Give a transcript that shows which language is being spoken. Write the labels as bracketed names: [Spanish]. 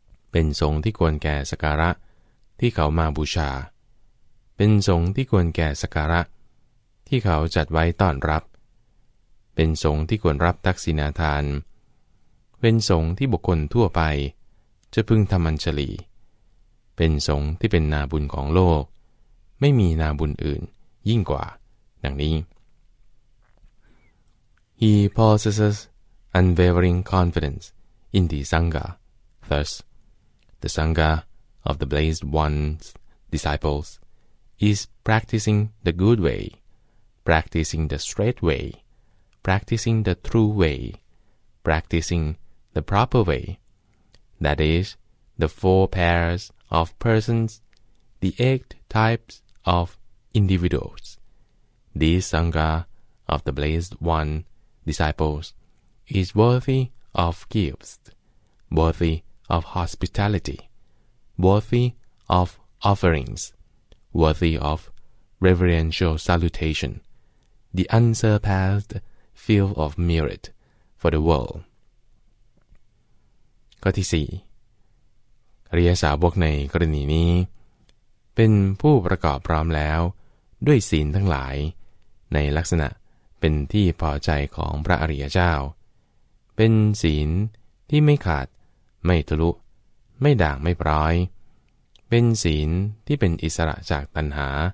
[Thai] เป็นสงฆ์ที่ควรแก่สักการะที่เขามาบูชาเป็นสงฆ์ที่ควรแก่สักการะที่เขาจัดไว้ต้อนรับเป็นสงฆ์ที่ควรรับทักษิณาทานเป็นสงฆ์ที่บุคคลทั่วไปจะพึงทำอัญชลีเป็นสงฆ์ที่เป็นนาบุญของโลกไม่มีนาบุญอื่นยิ่งกว่าดังนี้ He possesses unwavering confidence in the Sangha. [English] Thus, the Sangha of the Blessed One's disciplesis practicing the good way, practicing the straight way, practicing the true way, practicing the proper way, that is, the four pairs of persons, the eight types of individuals. This Sangha of the Blessed One, disciples, is worthy of gifts, worthy of hospitality, worthy of offerings,worthy of reverential salutation, the unsurpassed field of merit for the world. [Thai] ข้อที่สี่อริยสาวกในกรณีนี้เป็นผู้ประกอบพร้อมแล้วด้วยศีลทั้งหลายในลักษณะเป็นที่พอใจของพระอริยเจ้า เป็นศีลที่ไม่ขาดไม่ทะลุไม่ด่างไม่พร้อยเป็นศีลที่เป็นอิสระจากตัณหา